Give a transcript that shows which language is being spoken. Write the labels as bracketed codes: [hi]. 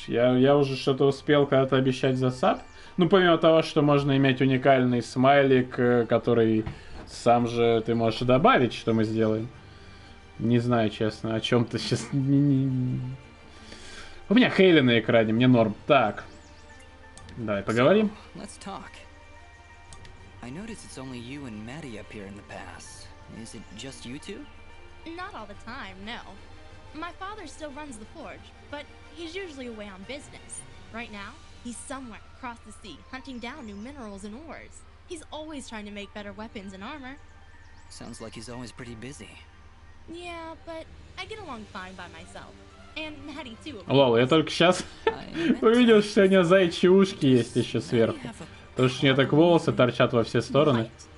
[ru] Я уже что-то успел когда-то обещать за САП. Ну, помимо того, что можно иметь уникальный смайлик, который сам же ты можешь добавить, что мы сделаем. Не знаю, честно, о чем-то сейчас... У меня Хейли на экране, мне норм. Так. Давай поговорим. [en] I noticed it's only you and Maddie up here in the past. Is it just you two? Not all the time, no. My father still runs the forge, but he's usually away on business. Right now, he's somewhere across the sea, hunting down new minerals and ores. He's always trying to make better weapons and armor. Sounds like he's always pretty busy. Yeah, but I get along fine by myself. And Maddie too. [ru] Лол, я только сейчас увидел, что у меня заячьи ушки есть еще сверху. Потому что у меня так волосы торчат во все стороны.